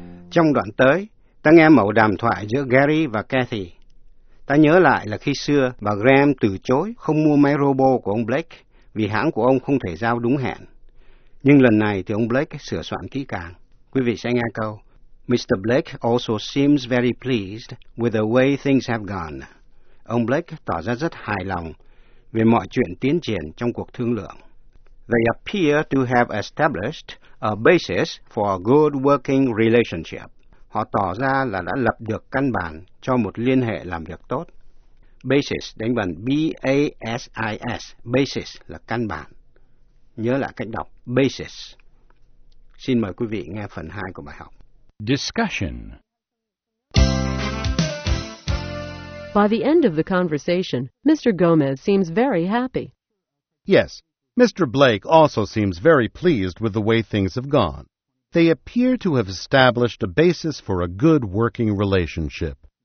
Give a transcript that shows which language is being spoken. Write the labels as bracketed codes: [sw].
[vi] Trong đoạn tới, ta nghe mẫu đàm thoại giữa Gary và Kathy. Ta nhớ lại là khi xưa bà Graham từ chối không mua máy robot của ông Blake vì hãng của ông không thể giao đúng hẹn. Nhưng lần này thì ông Blake sửa soạn kỹ càng. Quý vị sẽ nghe câu: Mr. [en] Blake also seems very pleased with the way things have gone. [vi] Ông Blake tỏ ra rất hài lòng về mọi chuyện tiến triển trong cuộc thương lượng. [en] They appear to have established a basis for a good working relationship. [vi] Họ tỏ ra là đã lập được căn bản cho một liên hệ làm việc tốt. Basis, đánh vần B-A-S-I-S. Basis là căn bản. Nhớ lại cách đọc basis. Xin mời quý vị nghe phần 2 của bài học. [en] Discussion. By the end of the conversation, Mr. Gomez seems very happy. Yes, Mr. Blake also seems very pleased with the way things have gone. They appear to have established a basis for a good working relationship.